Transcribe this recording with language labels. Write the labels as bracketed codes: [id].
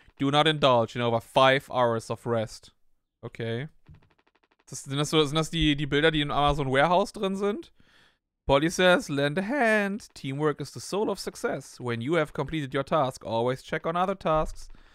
[en] Do not indulge in over 5 hours of rest. Okay. [de] Das, sind das die Bilder, die in Amazon Warehouse drin sind? [en] Polly says, lend a hand. Teamwork is the soul of success. When you have completed your task, always check on other tasks.